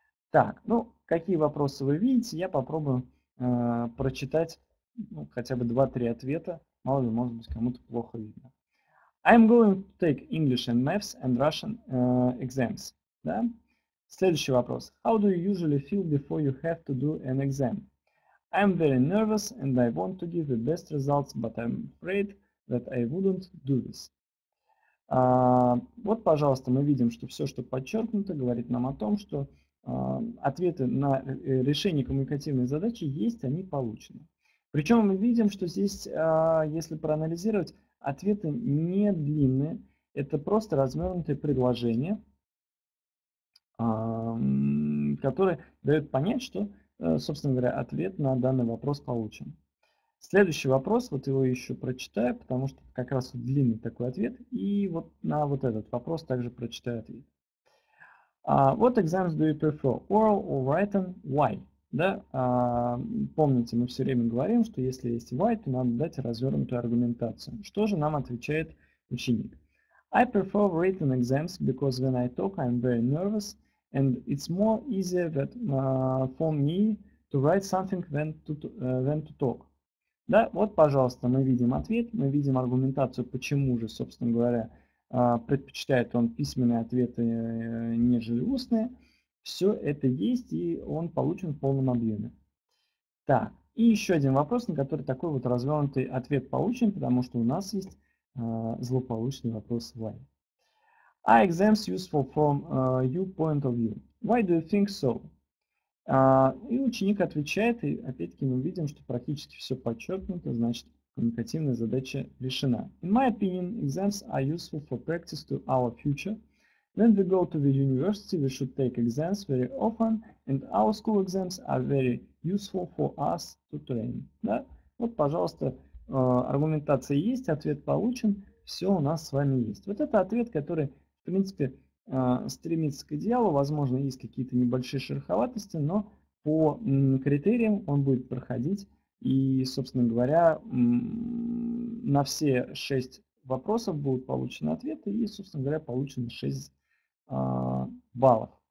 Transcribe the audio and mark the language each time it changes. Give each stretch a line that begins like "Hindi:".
Russian: Так, ну, какие вопросы вы видите, я попробую прочитать, ну, хотя бы 2-3 ответа, мало ли, может быть, кому-то плохо видно.
English: I'm going to take English and Maths and Russian exams.
Russian: Да? Следующий вопрос.
English: How do you usually feel before you have to do an exam? I'm very nervous and I want to give the best results, but I'm afraid that I wouldn't do this.
Russian: Вот, пожалуйста, мы видим, что все, что подчеркнуто, говорит нам о том, что ответы на решение коммуникативной задачи есть, они получены. Причем мы видим, что здесь, если проанализировать, ответы не длинные, это просто развернутые предложения, которые дают понять, что, собственно говоря, ответ на данный вопрос получен. Следующий вопрос, вот его еще прочитаю, потому что как раз длинный такой ответ, и вот на вот этот вопрос также прочитаю ответ.
English: What exams do you prefer, oral or written, why?
Russian: Да? Помните, мы все время говорим, что если есть why, то надо дать развернутую аргументацию. Что же нам отвечает ученик?
English: I prefer written exams because when I talk I'm very nervous and it's more easier that, for me to write something than to talk.
Russian: Да? Вот, пожалуйста, мы видим ответ, мы видим аргументацию, почему же, собственно говоря, предпочитает он письменные ответы, нежели устные. Все это есть, и он получен в полном объеме. Так, и еще один вопрос, на который такой вот развернутый ответ получен, потому что у нас есть злополучный вопрос why.
English: Are exams useful from your point of view? Why do you think so?
Russian: И ученик отвечает, и опять-таки мы видим, что практически все подчеркнуто, значит, коммуникативная задача решена.
English: In my opinion, exams are useful for practice to our future. When we go to the university, we should take exams very often, and our school exams are very useful for us to train.
Russian: Да? Вот, пожалуйста, аргументация есть, ответ получен, все у нас с вами есть. Вот это ответ, который, в принципе, стремится к идеалу, возможно, есть какие-то небольшие шероховатости, но по критериям он будет проходить. И, собственно говоря, на все 6 вопросов будут получены ответы, и, собственно говоря, получены 6 баллов.